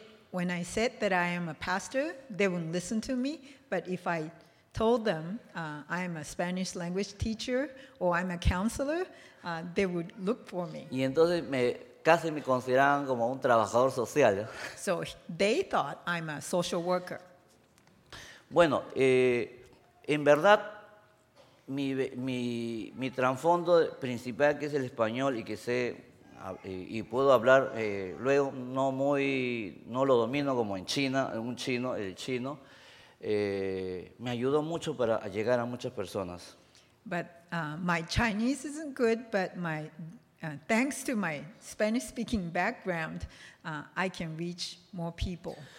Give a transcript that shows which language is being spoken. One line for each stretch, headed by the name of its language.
English: When I said that I am a pastor, they wouldn't listen to me. But if I told them I am a Spanish language teacher or I'm a counselor, they would look for me.
Spanish: Y entonces casi me consideraban como un trabajador social.
English: So they thought I'm a social worker.
Spanish: Bueno, en verdad, mi trasfondo principal, que es el español y que sé y puedo hablar luego, no lo domino como en China, un chino, el chino, me ayudó mucho para llegar a muchas personas.
English: But my Chinese isn't good, but my thanks to my Spanish-speaking background, I can reach more people.